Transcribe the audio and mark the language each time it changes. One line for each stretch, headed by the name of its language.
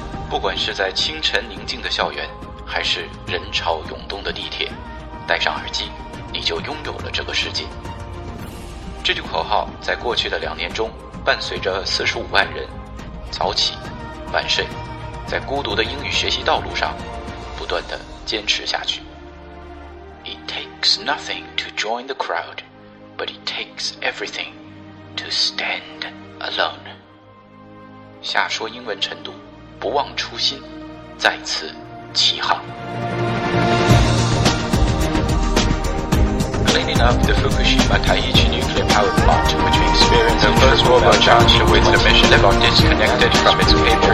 Chinese: 不管是在清晨宁静的校园，还是人潮涌动的地铁，戴上耳机，你就拥有了这个世界。这句口号在过去的两年中，伴随着450,000人早起晚睡，在孤独的英语学习道路上不断地坚持下去。
English: It takes nothing to join the crowd, but it takes everything to stand alone.
Chinese: 下说英文晨读，不忘初心，再次起航。
English: Cleaning up the Fukushima Taiichi nuclear power plant, which experienced the first robot charged with the mission level disconnected from its cable